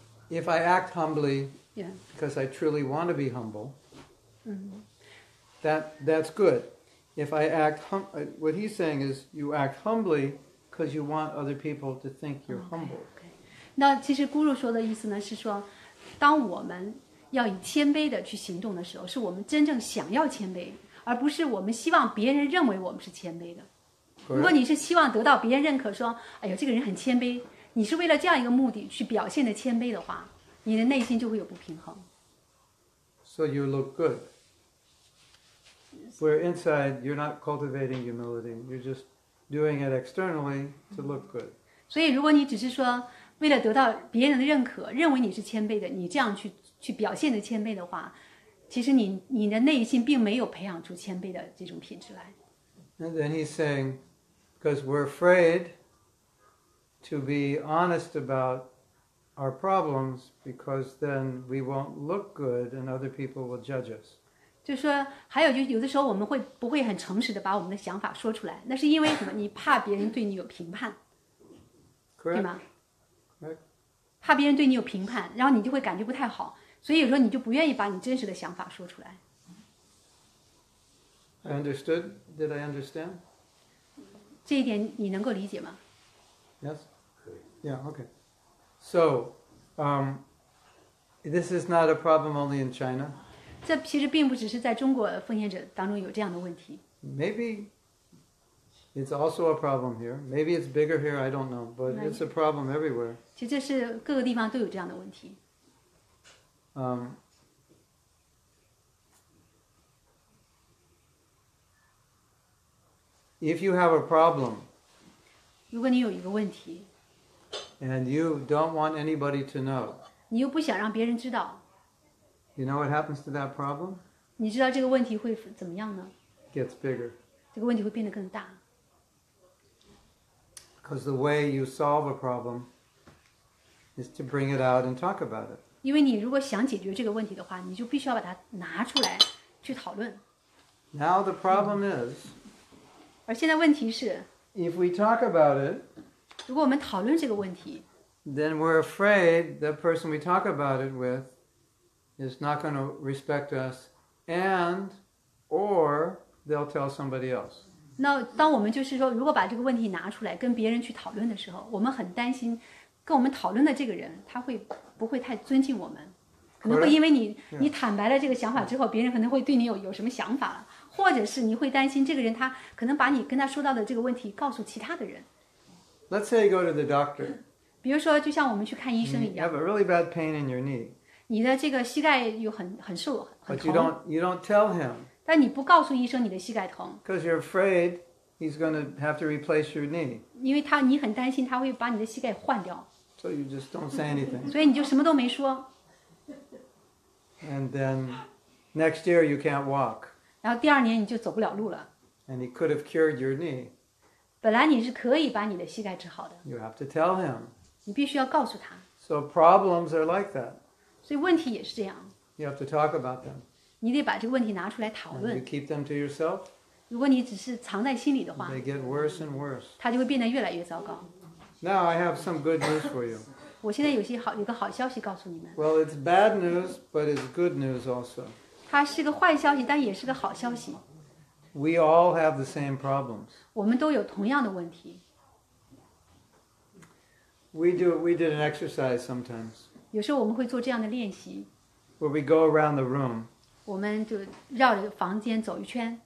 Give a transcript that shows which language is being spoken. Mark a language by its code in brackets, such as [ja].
[en] If I act humbly because I truly want to be humble, that's good. If I act what he's saying is you act humbly because you want other people to think you're humble. Okay. [zh] 那其实Guru说的意思呢，是说，当我们要以谦卑的去行动的时候，是我们真正想要谦卑，而不是我们希望别人认为我们是谦卑的。如果你是希望得到别人认可，说哎呦这个人很谦卑，你是为了这样一个目的去表现的谦卑的话，你的内心就会有不平衡。 [en] So you look good where inside you're not cultivating humility, you're just doing it externally to look good. [zh] 所以如果你只是说为了得到别人的认可，认为你是谦卑的，你这样去表现的谦卑的话，其实你的内心并没有培养出谦卑的这种品质来。 [en] And then he's sayingBecause we're afraid to be honest about our problems, because then we won't look good and other people will judge us. [zh] 就说还有就有的时候我们会不会很诚实的把我们的想法说出来，那是因为什么？你怕别人对你有评判。 [en] Correct. [zh] 对吗？ [en] Correct. [zh] 怕别人对你有评判，然后你就会感觉不太好，所以有时候你就不愿意把你真实的想法说出来。 [en] I understood. Did I understand? [zh] 这一点你能够理解吗？ [en] Yes. Yeah, okay. So, this is not a problem only in China. [zh] 这其实并不只是在中国奉献者当中有这样的问题。 [en] Maybe it's also a problem here. Maybe it's bigger here, I don't know. But it's a problem everywhere. [zh] 其实这是各个地方都有这样的问题。 [en] If you have a problem, [zh] 如果你有一个问题, [en] and you don't want anybody to know, [zh] 你又不想让别人知道, [en] you know what happens to that problem? [zh] 你知道这个问题会怎么样呢? [en] Gets bigger. [zh] 这个问题会变得更大。 [en] Because the way you solve a problem is to bring it out and talk about it. [zh] 因为你如果想解决这个问题的话，你就必须要把它拿出来去讨论。 [en] Now the problem is, [zh] 而现在问题是， [en] if we talk about it, [zh] 如果我们讨论这个问题， [en] then we're afraid the person we talk about it with is not going to respect us, and or they'll tell somebody else. [zh] 那当我们就是说，如果把这个问题拿出来跟别人去讨论的时候，我们很担心跟我们讨论的这个人他会不会太尊敬我们，可能会因为 你坦白了这个想法之后，别人可能会对你 有什么想法了，或者是你会担心这个人他可能把你跟他说到的这个问题告诉其他的人。 [en] Let's say you go to the doctor. [zh] 比如说就像我们去看医生一样。 [en] You have a really bad pain in your knee. [zh] 你的这个膝盖有 很瘦很痛。 [en] But you don't tell him. [zh] 但你不告诉医生你的膝盖疼。 [en] Because you're afraid he's going to have to replace your knee. [zh] 因为你很担心他会把你的膝盖换掉。 [en] So you just don't say anything. [zh] 所以你就什么都没说。 [en] And then next year you can't walk. [zh] 然后第二年你就走不了路了。 [en] And he could have cured your knee. [zh] 本来你是可以把你的膝盖治好的。 [en] You have to tell him. [zh] 你必须要告诉他。 [en] So problems are like that. [zh] 所以问题也是这样。 [en] You have to talk about them. [zh] 你得把这个问题拿出来讨论。 [en] And you keep them to yourself. [zh] 如果你只是藏在心里的话。 [en] They get worse and worse. [zh] 它就会变得越来越糟糕。 [en] Now I have some good news for you. [zh] 我现在有些好有个好消息告诉你们。 [en] Well, it's bad news, but it's good news also. [zh] 它是个坏消息，但也是个好消息。 [en] We all have the same problems. [zh] 我们都有同样的问题。 [en] We did an exercise sometimes. [zh] 有时候我们会做这样的练习。 [en] Where we go around the room. [zh] 我们就绕着房间走一圈。